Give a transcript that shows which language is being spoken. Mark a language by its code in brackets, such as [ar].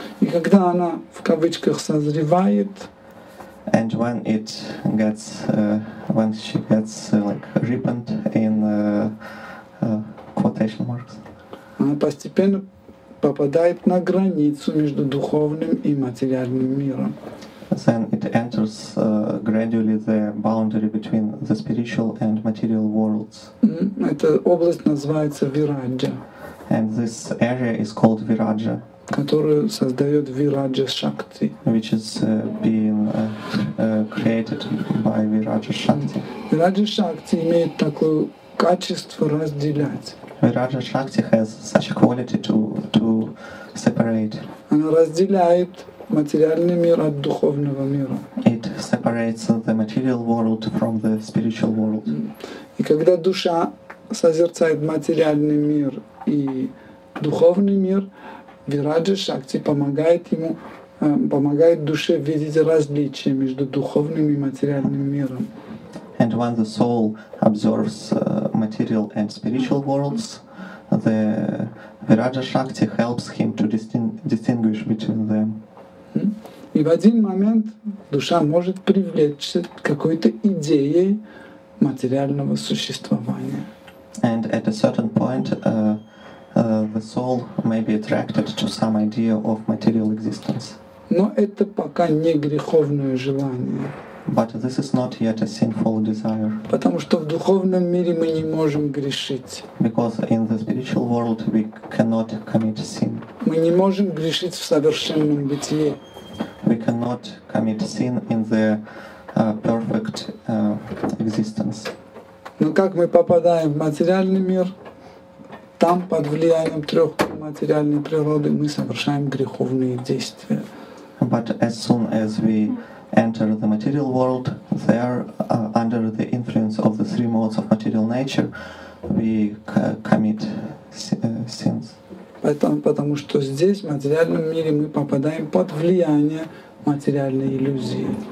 [ru] И когда она в кавычках созревает, [en] and when it gets, when she gets like ripened in quotation marks, [ru] она постепенно попадает на границу между духовным и материальным миром. [en] Then it enters gradually the boundary between the spiritual and material worlds. [ru] Эта область называется вираджа. [en] And this area is called вираджа, [ru] которую создает вираджа шакти, [en] which is being created by вираджа шакти. [ru] Вираджа шакти имеет такое качество разделять. [en] Вираджа шакти has such a quality to separate. [ru] Она разделяет материальный мир от духовного мира. [en] It separates the material world from the spiritual world. [ru] И когда душа созерцает материальный мир и духовный мир, вираджа шакти помогает ему, помогает душе видеть различия между духовным и материальным миром. [en] And when the soul observes material and spiritual worlds, the vairagya shakti helps him to distinguish between them. [ru] И в один момент душа может привлечься к какой-то идее материального существования. [en] And at a certain point, the soul may be attracted to some idea of material existence. [ru] Но это пока не греховное желание. [en] But this is not yet a sinful desire. [ru] Потому что в духовном мире мы не можем грешить. [en] Because in the spiritual world we cannot commit sin. [ru] Мы не можем грешить в совершенном бытии. [en] We cannot commit sin in the perfect existence. [ru] Но как мы попадаем в материальный мир, там под влиянием трех материальной природы мы совершаем греховные действия. [en] But as soon as we enter the material world, there, under the influence of the three modes of material nature, we commit sins. [ru] Потому что здесь, в материальном мире, мы попадаем под влияние материальной иллюзии.